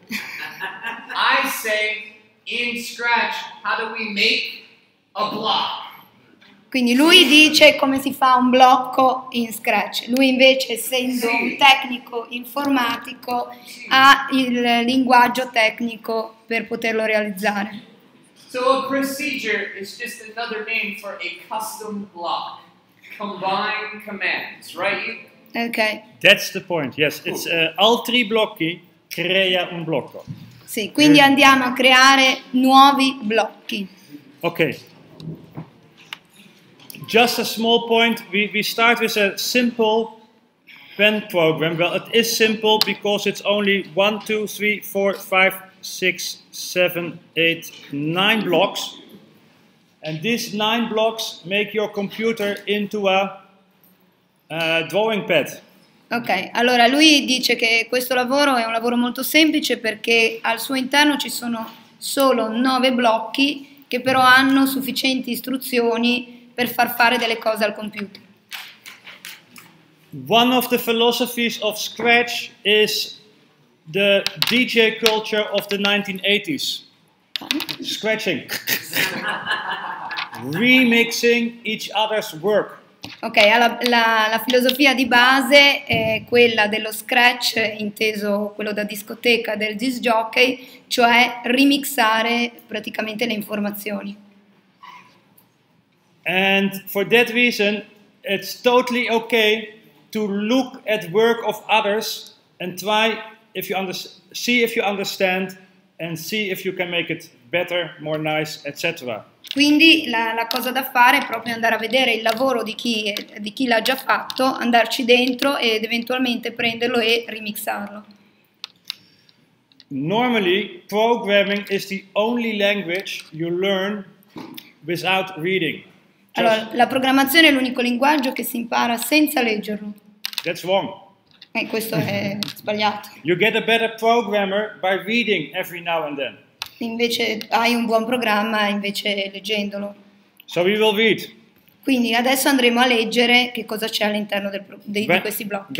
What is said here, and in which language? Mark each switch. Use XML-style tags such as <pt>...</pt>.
<en>I say in Scratch, how do we make a block?</en> <it>Quindi lui dice come si fa un blocco in Scratch. Lui invece, essendo un tecnico informatico, ha il linguaggio tecnico per poterlo realizzare.</it> <en>So a procedure is just another name for a custom block. Combine commands, right? Okay. That's the point, yes. It's</en> <it>altri blocchi, crea un blocco. Sì, quindi andiamo a creare nuovi blocchi.</it> <en>Okay. Just a small point, we start with a simple pen program. Well, it is simple because it's only 1, 2, 3, 4, 5, 6, 7, 8, 9 blocks. And these 9 blocks make your computer into a drawing pad.</en> <it>Ok, allora lui dice che questo lavoro è un lavoro molto semplice perché al suo interno ci sono solo 9 blocchi che però hanno sufficienti istruzioni per far fare delle cose al computer.</it> <en>One of the philosophies of Scratch is the DJ culture of the 1980s. Scratching. Remixing each other's work.</en> <it>Ok, la filosofia di base è quella dello Scratch, inteso quello da discoteca del disc jockey, cioè remixare praticamente le informazioni.</it> <en>And for that reason, it's totally okay to look at work of others and try if you see if you understand and see if you can make it better, more nice, etc.</en> <it>Quindi la cosa da fare è proprio andare a vedere il lavoro di chi l'ha già fatto, andarci dentro ed eventualmente prenderlo e remixarlo.</it> <en>Normally, programming is the only language you learn without reading.</en> <it>Allora, la programmazione è l'unico linguaggio che si impara senza leggerlo.</it> <en>That's wrong.</en> <it>Questo è sbagliato.</it> <en>You get a better programmer by reading every now and then.</en> <it>Invece hai un buon programma invece leggendolo.</it> <en>So we will read.</en> <it>Quindi adesso andremo a leggere che cosa c'è all'interno di questi blocchi.</it>